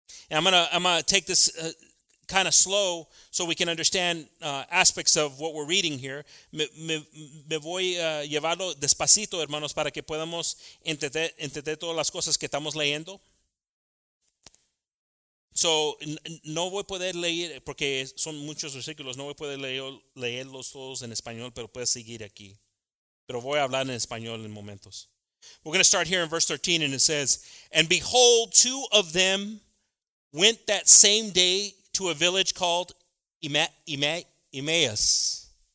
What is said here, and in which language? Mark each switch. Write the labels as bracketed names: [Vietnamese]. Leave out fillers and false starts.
[English] And I'm going to take this kind of slow so we can understand aspects of what we're reading here. [Spanish] Me voy a llevarlo despacito, hermanos, para que podamos entender todas las cosas que estamos leyendo. So, no voy a poder leer, porque son muchos versículos, no voy a poder leerlos todos en español, pero puedes seguir aquí. Pero voy a hablar en español en momentos. [English] We're going to start here in verse 13, and it says, "And behold, two of them went that same day to a village called Emmaus."